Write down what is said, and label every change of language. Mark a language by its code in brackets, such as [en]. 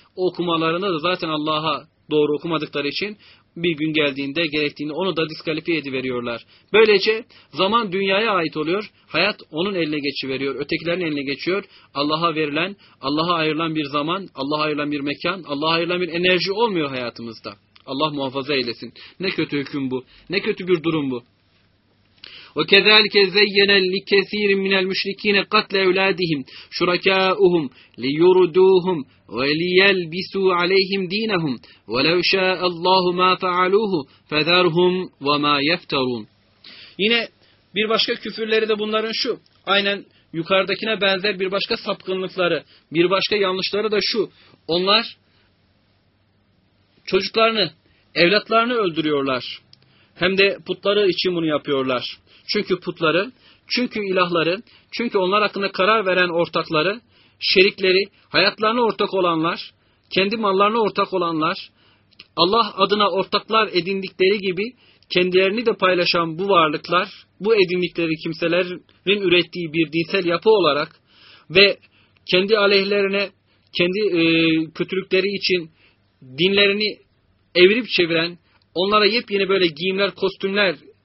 [tr] O okumalarında da zaten Allah'a doğru okumadıkları için bir gün geldiğinde gerektiğini onu da diskalifiye ediveriyorlar. Böylece zaman dünyaya ait oluyor, hayat onun eline geçiveriyor, ötekilerin eline geçiyor. Allah'a verilen, Allah'a ayrılan bir zaman, Allah'a ayrılan bir mekan, Allah'a ayrılan bir enerji olmuyor hayatımızda. Allah muhafaza eylesin. Ne kötü hüküm bu. Ne kötü bir durum bu. [ar] وَكَذَٰلِكَ زَيَّنَ لِكَثِيرٍ مِنَ الْمُشْرِك۪ينَ قَتْلَ اَوْلَادِهِمْ شُرَكَاءُهُمْ لِيُرُدُوهُمْ وَلِيَلْبِسُوا عَلَيْهِمْ دِينَهُمْ وَلَوْ شَاءَ اللّٰهُ مَا فَعَلُوهُ فَذَرْهُمْ وَمَا يَفْتَرُونَ [tr] Yine bir başka küfürleri de bunların şu. Aynen yukarıdakine benzer bir başka sapkınlıkları, bir başka yanlışları da şu. Onlar çocuklarını, evlatlarını öldürüyorlar. Hem de putları için bunu yapıyorlar. Çünkü putları, çünkü ilahları, çünkü onlar hakkında karar veren ortakları, şerikleri, hayatlarına ortak olanlar, kendi mallarına ortak olanlar, Allah adına ortaklar edindikleri gibi kendilerini de paylaşan bu varlıklar, bu edindikleri kimselerin ürettiği bir dinsel yapı olarak ve kendi aleyhlerine, kendi kötülükleri için dinlerini evirip çeviren, onlara yepyeni böyle giyimler, kostümler